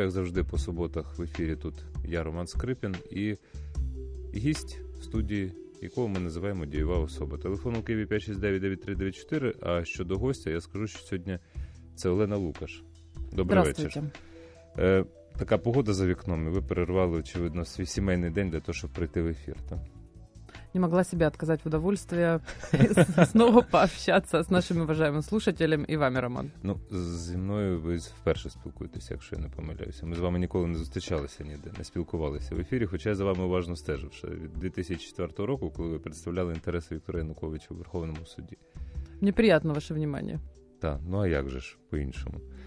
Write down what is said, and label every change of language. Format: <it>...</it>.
<uk>Як завжди, по суботах в ефірі тут я, Роман Скрипін, і гість в студії, якого ми називаємо «Дієва особа». Телефон у Києві 569-9394, а щодо гостя, я скажу, що сьогодні це Олена Лукаш. Добрий вечір.</uk> <ru>Здравствуйте. Така погода за вікном, і ви перервали, очевидно, свій сімейний день для того, щоб прийти в ефір, так? Не могла себе отказать в удовольствии снова пообщаться с нашим уважаемым слушателем и вами, Роман.</ru> <uk>Ну, зі мною ви вперше спілкуєтеся, якщо я не помиляюся. Ми з вами ніколи не зустрічалися ніде, не спілкувалися в ефірі, хоча я за вами уважно стежив, що від 2004 року, коли ви представляли інтереси Віктора Януковича у Верховному суді. Мені приємно ваше внимання. Так, ну а як же ж по-іншому?</uk>